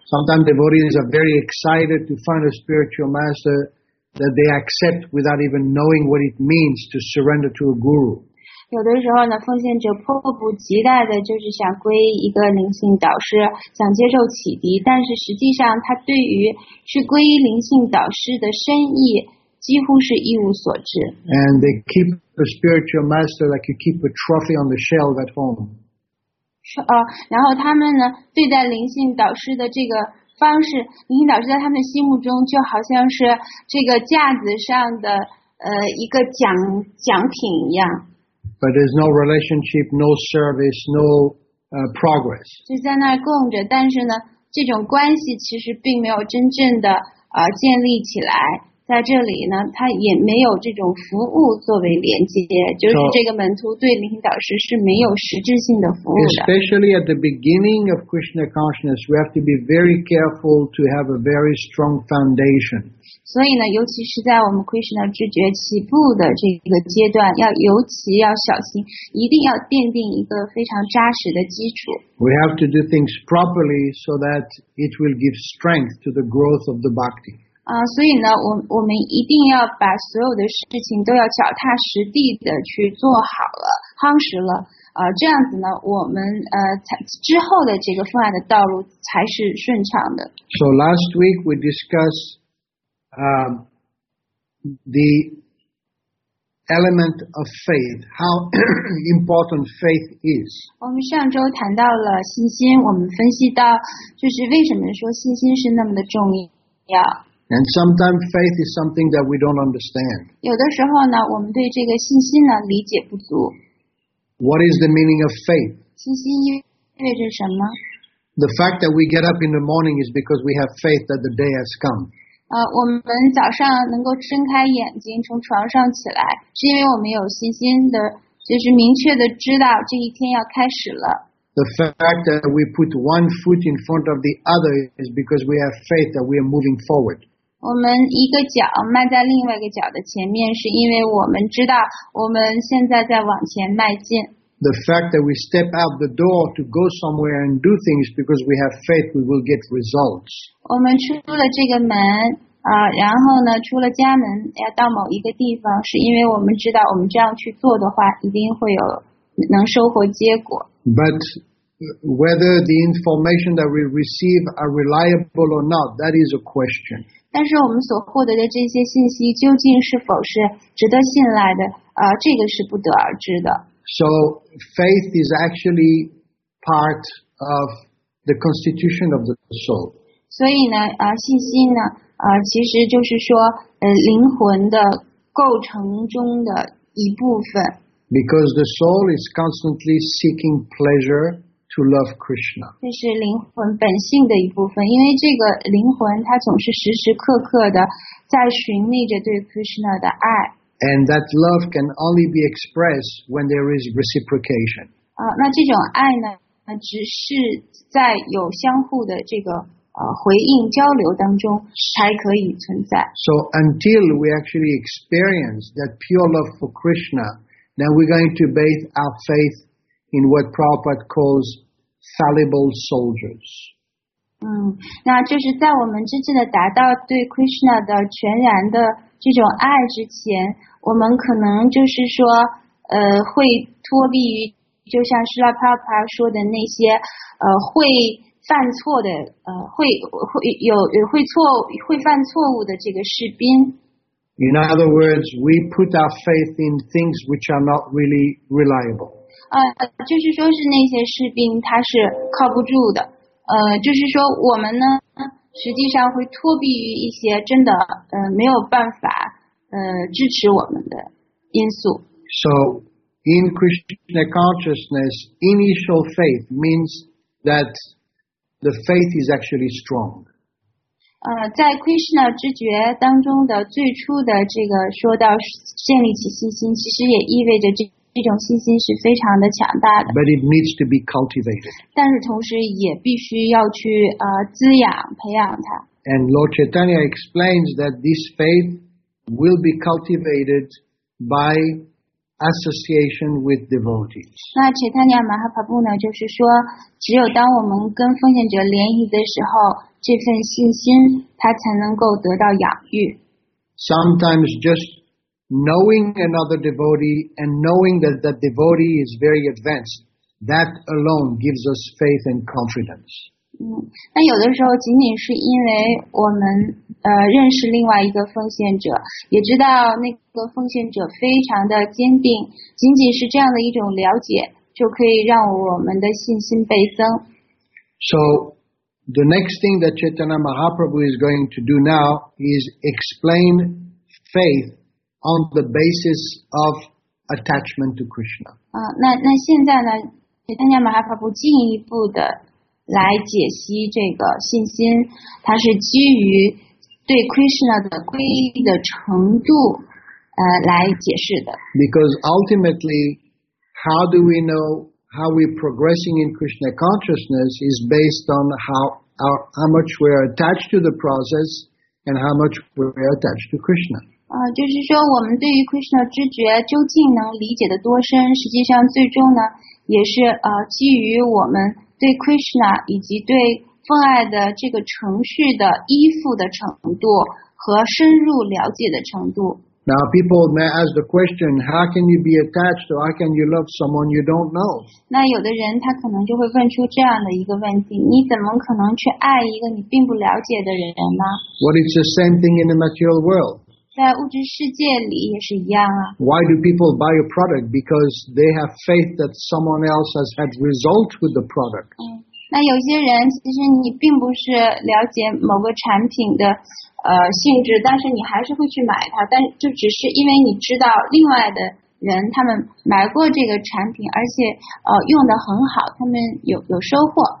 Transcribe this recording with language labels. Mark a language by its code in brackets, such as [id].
[en] Sometimes devotees are very excited to find a spiritual master that they accept without even knowing what it means to surrender to a guru. [zh] 有的时候呢，奉献者迫不及待的就是想皈依一个灵性导师，想接受启迪，但是实际上他对于是皈依灵性导师的深意几乎是一无所知。 [en] And they keep a spiritual master like you keep a trophy on the shelf at home. [zh] 然后他们呢对待灵性导师的这个方式，灵性导师在他们心目中就好像是这个架子上的一个奖品一样。 [en] But there's no relationship, no service, no progress. [zh] 就在那供着，但是呢，这种关系其实并没有真正的建立起来。在这里呢，他也没有这种服务作为连接，就是这个门徒对灵性导师是没有实质性的服务的。 [en] Especially at the beginning of Krishna consciousness, we have to be very careful to have a very strong foundation. [zh] 所以呢，尤其是在我们 Krishna 知觉起步的这个阶段，要尤其要小心，一定要奠定一个非常扎实的基础。 [en] We have to do things properly so that it will give strength to the growth of the bhakti. [zh] 所以呢我们一定要把所有的事情都要脚踏实地的去做好了，夯实了，这样子呢我们之后的这个奉爱的道路才是顺畅的。 [en] So last week we discussed the element of faith, how important faith is. [zh] 我们上周谈到了信心，我们分析到就是为什么说信心是那么的重要。 [en] And sometimes faith is something that we don't understand. [zh] 有的时候呢，我们对这个信心呢理解不足。 [en] What is the meaning of faith? [zh] 信心意味着什么？ [en] The fact that we get up in the morning is because we have faith that the day has come. [zh] 我们早上能够睁开眼睛从床上起来，是因为我们有信心的，就是明确的知道这一天要开始了。 [en] The fact that we put one foot in front of the other is because we have faith that we are moving forward. [zh] 我们一个脚迈在另外一个脚的前面，是因为我们知道我们现在在往前迈进。 [en] The fact that we step out the door to go somewhere and do things because we have faith we will get results. [zh] 我们出了这个门，然后呢，出了家门，要到某一个地方，是因为我们知道我们这样去做的话，一定会有能收获结果。 [en] But whether the information that we receive are reliable or not, that is a question. [zh] 但是我们所获得的这些信息究竟是否是值得信赖的，这个是不得而知的。 [en] So faith is actually part of the constitution of the soul. [zh] 所以呢，信心呢，其实就是说，灵魂的构成中的一部分。 [en] Because the soul is constantly seeking pleasure to love Krishna. [zh] 这是灵魂本性的一部分，因为这个灵魂它总是时时刻刻的在寻觅着对 Krishna 的爱。 [en] And that love can only be expressed when there is reciprocation. [zh] 那这种爱呢，只是在有相互的这个回应交流当中才可以存在。 [en] So until we actually experience that pure love for Krishna,Now we're going to base our faith in what Prabhupada calls fallible soldiers. [zh] 那就是在我们真正的达到对 Krishna 的全然的这种爱之前，我们可能就是说，会脱离于就像 Srila Prabhupada 说的那些，会犯错的，会犯错误的这个士兵。 [en] In other words, we put our faith in things which are not really reliable. [zh] 就是说是那些士兵他是靠不住的。就是说我们呢实际上会脱避于一些真的没有办法支持我们的因素。 [en] So, in Krishna consciousness, initial faith means that the faith is actually strong. [zh] 在 Krishna 之觉当中的最初的这个说到建立起信心，其实也意味着这种信心是非常的强大的。 [en] But it needs to be cultivated. [zh] 但是同时也必须要去滋养培养它。 [en] And Lord Chaitanya explains that this faith will be cultivated by association with devotees. [zh] 那 Chaitanya Mahaprabhu 呢，就是说，只有当我们跟奉献者联谊的时候，这份信心它才能够得到养育。 [en] Sometimes just knowing another devotee and knowing that that devotee is very advanced, that alone gives us faith and confidence. [zh] 那有的时候仅仅是因为我们认识另外一个奉献者，也知道那个奉献者非常的坚定，仅仅是这样的一种了解，就可以让我们的信心倍增。 [en] So,The next thing that Chaitanya Mahaprabhu is going to do now is explain faith on the basis of attachment to Krishna. [zh] 那现在呢 ，Chaitanya Mahaprabhu 进一步的来解析这个信心，它是基于对 Krishna 的皈依的程度，来解释的。 [en] Because ultimately, how do we know? How we're progressing in Krishna consciousness is based on how much we're attached to the process and how much we're attached to Krishna. [zh] 就是说我们对于 Krishna 知觉究竟能理解的多深，实际上最终呢，也是基于我们对 Krishna 以及对奉爱的这个程序的依附的程度和深入了解的程度。 [en] Now people may ask the question, how can you be attached or how can you love someone you don't know? [zh] 那有的人他可能就会问出这样的一个问题，你怎么可能去爱一个你并不了解的人呢？ [en] Well, it's the same thing in the material world. [zh] 在物质世界里也是一样啊。 [en] Why do people buy a product? Because they have faith that someone else has had results with the product. [zh] 那有些人其实你并不是了解某个产品的性质，但是你还是会去买它，但就只是因为你知道另外的人他们买过这个产品，而且用得很好，他们有收获。